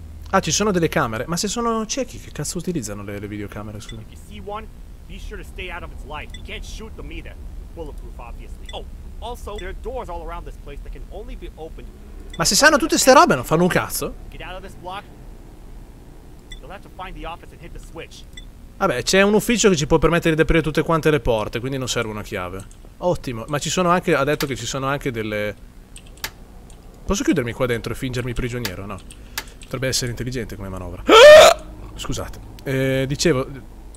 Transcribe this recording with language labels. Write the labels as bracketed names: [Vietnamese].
[Italian] Ah, ci sono delle camere. Ma se sono ciechi, che cazzo utilizzano le videocamere? Scusa. [English] Be sure to stay out of its light. You can't shoot them either. Bulletproof, obviously. Oh, also, there are doors all around this place that can only be opened. [Italian] Ma se sanno tutte ste robe, non fanno un cazzo? [English] Get out of this block. You'll have to find the office and hit the switch. [Italian] Vabbè, c'è un ufficio che ci può permettere di aprire tutte quante le porte, quindi non serve una chiave. Ottimo, ma ci sono anche. Ha detto che ci sono anche delle. Posso chiudermi qua dentro e fingermi prigioniero, no? Potrebbe essere intelligente come manovra. Scusate. Dicevo.